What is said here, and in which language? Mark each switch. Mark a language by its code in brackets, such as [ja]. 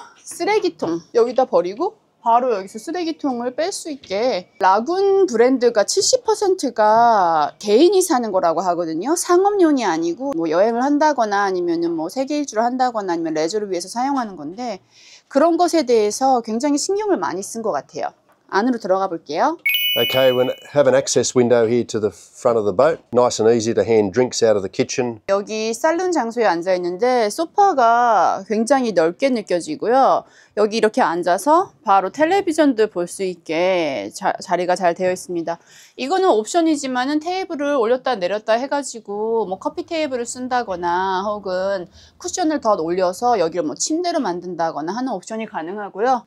[ko] 쓰레기통 여기다 버리고 바로 여기서 쓰레기통을 뺄 수 있게 라군 브랜드가 70%가 개인이 사는 거라고 하거든요. 상업용이 아니고 뭐 여행을 한다거나 아니면은 뭐 세계 일주를 한다거나 아니면 레저를 위해서 사용하는 건데 그런 것에 대해서 굉장히 신경을 많이 쓴 것 같아요. 안으로 들어가 볼게요. [en] Okay, we have an access window here to the front of the boat. Nice and easy to hand drinks out of the kitchen. [ko] 여기 살룬 장소에 앉아 있는데 소파가 굉장히 넓게 느껴지고요. 여기 이렇게 앉아서 바로 텔레비전도 볼 수 있게 자리가 잘 되어 있습니다. 이거는 옵션이지만은 테이블을 올렸다 내렸다 해가지고 뭐 커피 테이블을 쓴다거나 혹은 쿠션을 더 올려서 여기를 뭐 침대로 만든다거나 하는 옵션이 가능하고요.